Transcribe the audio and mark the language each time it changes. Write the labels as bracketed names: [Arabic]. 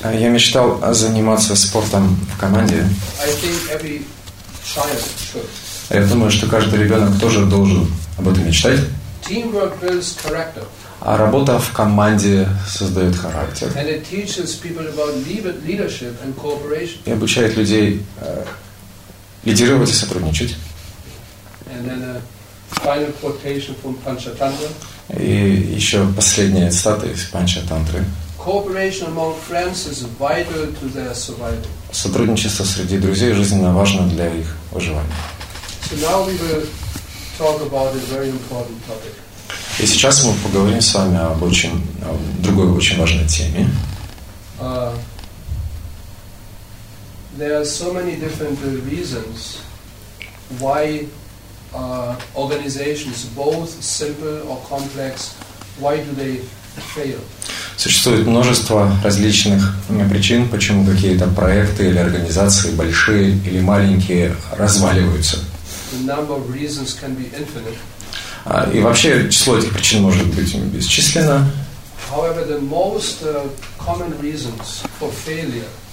[Russian] Я мечтал заниматься спортом в команде. [English] I think every child should. [Russian] Я думаю, что каждый ребенок тоже должен об этом мечтать. [English] Teamwork builds character. [Russian] А работа в команде создает характер. [English] And it teaches people about leadership and cooperation. [Russian] И обучает людей лидировать и сотрудничать. [English] And then Final quotation from Panchatantra. [Russian] И еще последняя цитата из Панчатантры. [English] Cooperation among friends is vital to their survival. [Russian] Сотрудничество среди друзей жизненно важно для их выживания. [English] So now we will talk about a very important topic. [Russian] И сейчас мы поговорим с вами об очень о другой очень важной теме. [English] There are so many different reasons why organizations, both simple or complex, why do they fail? [Russian] Существует множество различных причин, почему какие-то проекты или организации, большие или маленькие, разваливаются. [English] The number of reasons can be infinite. [Russian] И вообще число этих причин может быть бесчисленно. [English] However, the most common reasons for failure.